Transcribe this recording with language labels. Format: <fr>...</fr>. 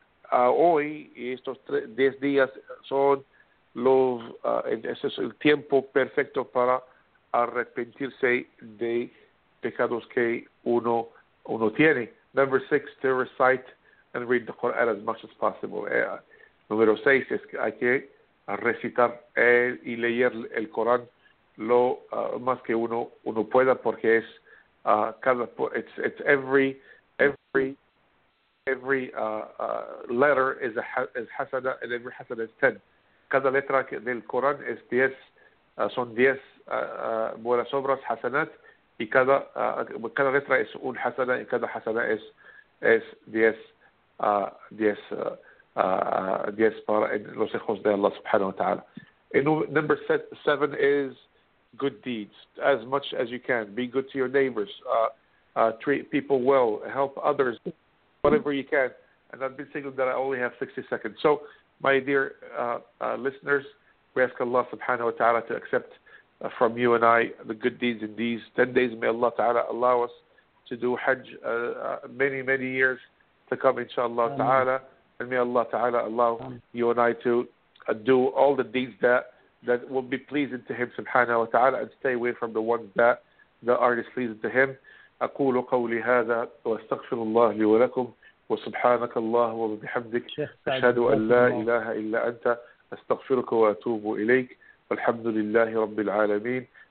<es>Hoy y estos 10 días son ese es el tiempo perfecto para arrepentirse de pecados que uno tiene.</es> <en>Number six, to recite and read the Quran as much as possible.</en> <es>Número seis es que hay que recitar y leer el Corán lo más que uno pueda, porque es</es> <en>letter is hasada, and every hasada is 10.</en> <es>Cada letra del Corán es 10, son 10 buenas obras, hasanat, y cada letra es un hasada, y cada hasada es 10 para los hijos de Allah subhanahu wa ta'ala.</es> <en>And number seven is good deeds, as much as you can. Be good to your neighbors, treat people well, help others, whatever you can. And I've been thinking that I only have 60 seconds. So, my dear listeners, we ask Allah subhanahu wa ta'ala to accept from you and I the good deeds in these 10 days. May Allah ta'ala allow us to do Hajj many, many years to come, inshallah ta'ala. And may Allah ta'ala allow you and I to do all the deeds that will be pleasing to Him subhanahu wa ta'ala, and stay away from the ones that are displeasing to Him.</en> <ar>أقول قولي هذا وأستغفر الله لي ولكم وسبحانك الله وبحمدك أشهد أن لا إله إلا أنت أستغفرك وأتوب إليك والحمد لله رب العالمين.</ar>